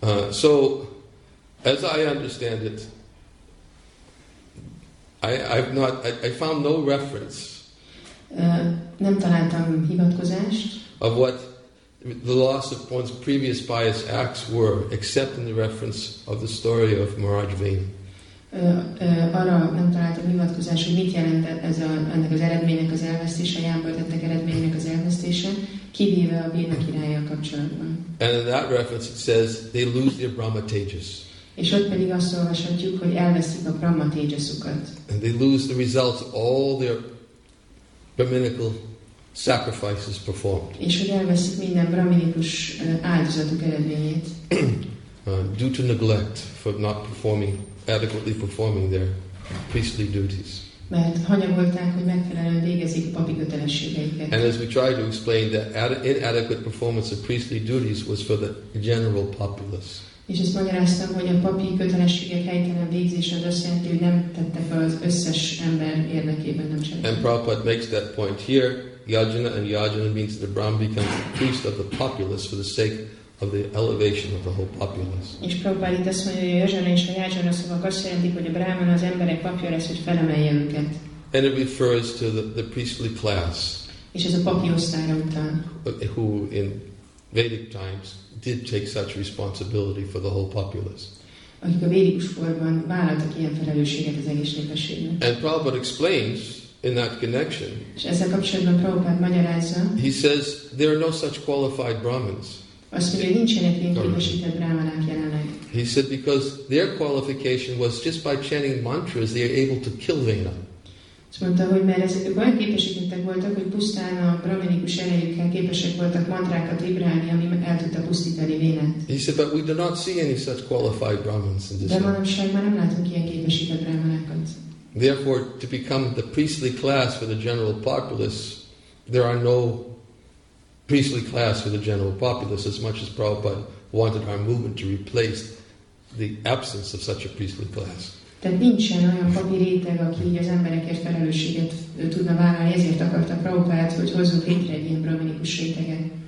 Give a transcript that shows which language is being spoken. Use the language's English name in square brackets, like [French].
[English] So as I understand it, I found no reference. [Hungarian] Nem találtam hivatkozást. [English] Of what the loss of one's previous pious acts were, except in the reference of the story of Maharaj Veni. [Hungarian] Arra nem találtam hivatkozást, hogy mit jelent ez ennek az eredménynek az elvesztése, a jámbor tettek eredménynek az elvesztése, kivéve a Béna királlyal kapcsolatban. [English] And in that reference it says, they lose their Brahma Tejas. [Hungarian] És ott pedig azt olvashatjuk, hogy elveszik a Brahma Tejasukat. [English] And they lose the results of all their Brahminical sacrifices performed. [Hungarian] És hogy elveszik minden brahminikus áldozatuk eredményét. [English] Due to neglect for not performing, adequately performing their priestly duties. [Hungarian] Mert hanyagolták, hogy megfelelően végezik a papi kötelességeiket. [English] And as we tried to explain, that inadequate performance of priestly duties was for the general populace. [Hungarian] És azt magyaráztam, hogy a papi kötelességek helytelen végzése az azt jelenti, hogy nem tettek az összes ember érdekében, nem cselekedtek. [English] And Prabhupada makes that point here. Yajna and Yajna means that the Brahman becomes the priest of the populace for the sake of the elevation of the whole populace. [Hungarian] És Prabhupada itt azt mondja, hogy a Yajna és a Yajna szavak azt jelentik, hogy a Brahman az emberek papja lesz, hogy felemelje őket. [English] And it refers to the priestly class. [Hungarian] És ez a papi osztályra után. [English] Who in Vedic times did take such responsibility for the whole populace. [Hungarian] Akik a védikus korban vállaltak ilyen felelősséget az egész népességnek. [English] And Prabhupada explains in that connection. [Hungarian] És ezzel kapcsolatban Prabhupada magyarázza. [English] He says there are no such qualified Brahmins. [Hungarian] Azt mondja, nincsenek ilyen képesített brahmanák jelenleg. [English] He said because their qualification was just by chanting mantras they are able to kill Vena. [Hungarian] Azt mondta, hogy mert ezek olyan képesítettek voltak, hogy pusztán a brahminikus erejükkel képesek voltak mantrákat vibrálni, ami el tudta pusztítani Vénát. [English] He said, but we do not see any such qualified brahmins in this. [Hungarian] De manapság már nem látunk ilyen képesített brahmanákat. [English] Therefore, to become the priestly class for the general populace, there are no priestly class for the general populace, as much as Prabhupada wanted our movement to replace the absence of such a priestly class. [Hungarian] Tehát nincsen olyan papi réteg, aki így az emberekért felelősséget tudna vállalni, ezért akarta Prabhupádát, hogy hozzunk létre egy ilyen brahminikus réteget.